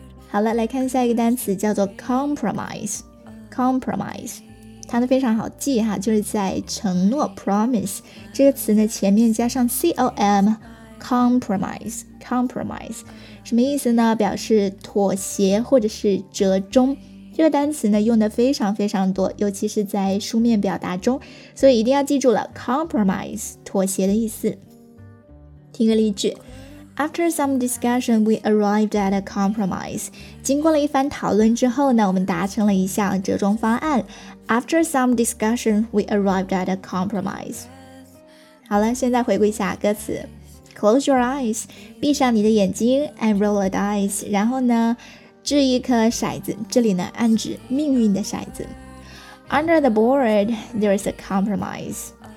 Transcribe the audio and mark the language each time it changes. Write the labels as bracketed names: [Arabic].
[Chinese] 好了，来看下一个单词，叫做 compromise。compromise 它呢非常好记哈，就是在承诺 promise 这个词呢前面加上 com， compromise， compromise 什么意思呢？表示妥协或者是折中。这个单词呢用的非常非常多，尤其是在书面表达中，所以一定要记住了 compromise， 妥协的意思。听个例句。 [English] After some discussion, we arrived at a compromise. [Chinese] 经过了一番讨论之后呢，我们达成了一项折中方案。 [English] After some discussion, we arrived at a compromise. [Chinese] 好了，现在回顾一下歌词。 [English] Close your eyes, [Chinese] 闭上你的眼睛 [English] and roll a dice. [Chinese] 然后呢，掷一颗骰子，这里呢暗指命运的骰子。 [English] Under the board, there is a compromise.